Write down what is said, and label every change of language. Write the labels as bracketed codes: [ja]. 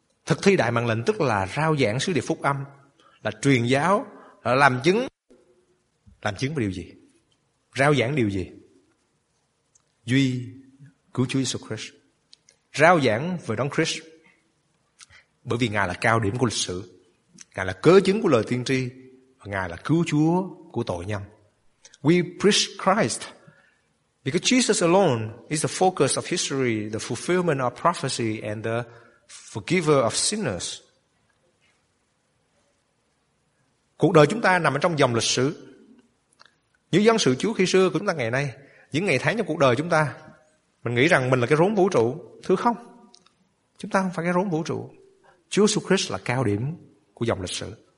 [vi] Thực thi đại mạng lệnh tức là rao giảng sứ điệp phúc âm, là truyền giáo, là làm chứng. Làm chứng về điều gì? Rao giảng điều gì? Duy cứu Chúa Jesus Christ. Rao giảng về Đấng Christ, bởi vì Ngài là cao điểm của lịch sử, Ngài là cớ chứng của lời tiên tri, và Ngài là cứu Chúa của tội nhân. [en] We preach Christ because Jesus alone is the focus of history, the fulfillment of prophecy and the forgiver of sinners. [vi] Cuộc đời chúng ta nằm ở trong dòng lịch sử. Như dân sự Chúa khi xưa của chúng ta ngày nay, những ngày tháng trong cuộc đời chúng ta, mình nghĩ rằng mình là cái rốn vũ trụ. Thưa không, chúng ta không phải cái rốn vũ trụ. Chúa Jesus Christ là cao điểm của dòng lịch sử.